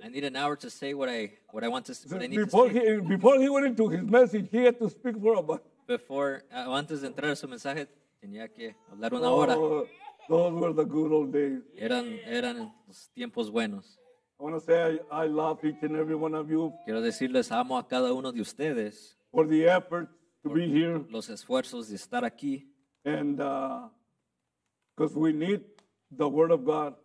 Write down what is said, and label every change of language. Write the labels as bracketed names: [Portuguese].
[English] I need an hour to say what I want to, what I need before to say. Before he went into his message, he had to speak for about. Before, [Spanish] antes de entrar a su mensaje, tenía que hablar una hora. [English] Those were the good old days. [Spanish] Eran los tiempos buenos. [English] I want to say I love each and every one of you. [Spanish] Quiero decirles amo a cada uno de ustedes. [English] For the effort to be here. [Spanish] Los esfuerzos de estar aquí. [English] And because we need the word of God.